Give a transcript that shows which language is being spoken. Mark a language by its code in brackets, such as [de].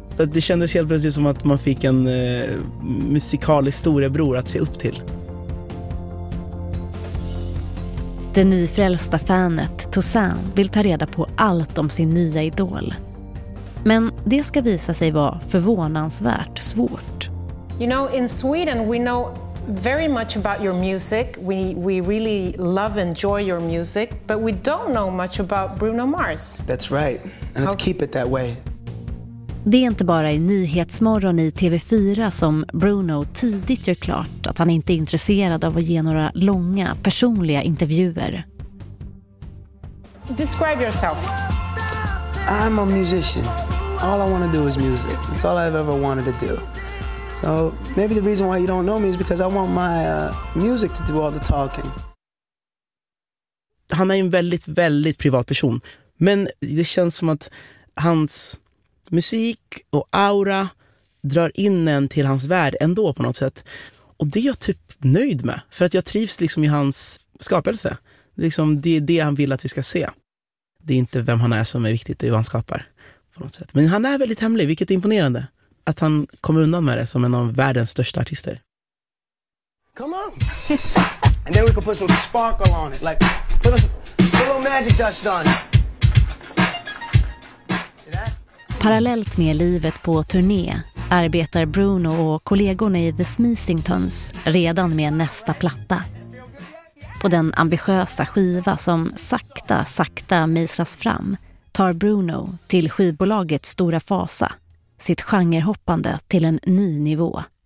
[sv] Så det kändes helt plötsligt som att man fick en musikalisk storebror att se upp till. Det nyfrälsta fanet Toussaint vill ta reda på allt om sin nya idol. Men det ska visa sig vara förvånansvärt svårt. [en] You know, in Sweden we know very much about your music. We really love and enjoy your music, but we don't know much about Bruno Mars. That's right. And let's keep it that way. [sv] Det är inte bara i Nyhetsmorgon i TV4 som Bruno tidigt gör klart att han inte är intresserad av att ge några långa personliga intervjuer. [en] Describe yourself. I'm a musician. All I want to do is music. That's all I've ever wanted to do. So maybe the reason why you don't know me is because I want my music to do all the talking. [sv] Han är en väldigt, väldigt privat person. Men det känns som att hans musik och aura drar in en till hans värld ändå på något sätt. Och det är jag typ nöjd med. För att jag trivs liksom i hans skapelse. Liksom det är det han vill att vi ska se. Det är inte vem han är som är viktigt, det är vad han skapar på något sätt. Men han är väldigt hemlig, vilket är imponerande. Att han kom undan med det som en av världens största artister. [en] Come on. And then we can put some sparkle on it. Like put a little magic dust on it. [sv] Parallellt med livet på turné arbetar Bruno och kollegorna i The Smeezingtons redan med nästa platta. På den ambitiösa skiva som sakta, sakta mislas fram tar Bruno till skivbolagets stora fasa sitt genrehoppande till en ny nivå.